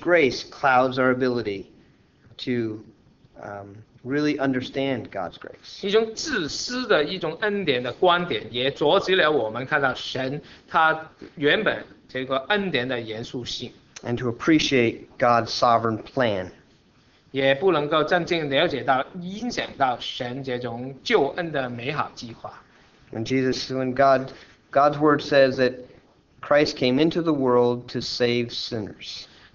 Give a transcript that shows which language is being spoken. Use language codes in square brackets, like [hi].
[en] grace clouds our ability to really understand God's grace. [zh] 一种自私的一种恩典的观点，也阻止了我们看到神他原本这个恩典的严肃性。 [en] And to appreciate God's sovereign plan. [zh] 也不能够真正了解到影响到神这种救恩的美好计划。 [en] When Jesus, when God's word says that Christ came into the world to save sinners.